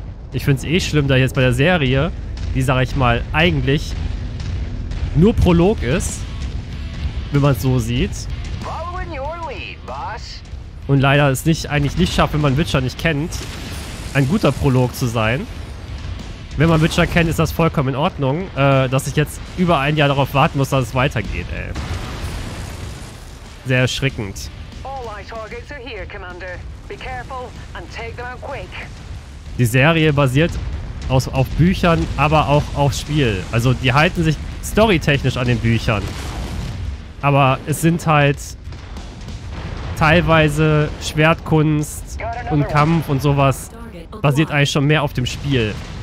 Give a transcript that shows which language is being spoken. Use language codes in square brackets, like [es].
[de] Ich find's eh schlimm, da jetzt bei der Serie, die, sag ich mal, eigentlich nur Prolog ist, wenn man es so sieht. [en] Following your lead, boss. [de] Und leider es nicht, eigentlich nicht schafft, wenn man Witcher nicht kennt, ein guter Prolog zu sein. Wenn man Witcher kennt, ist das vollkommen in Ordnung, dass ich jetzt über ein Jahr darauf warten muss, dass es weitergeht, ey. Sehr erschreckend. [en] All my targets are here, Commander. Be careful and take them out quick. [de] Die Serie basiert auf Büchern, aber auch aufs Spiel. Also die halten sich storytechnisch an den Büchern. Aber es sind halt teilweise Schwertkunst und Kampf und sowas basiert eigentlich schon mehr auf dem Spiel.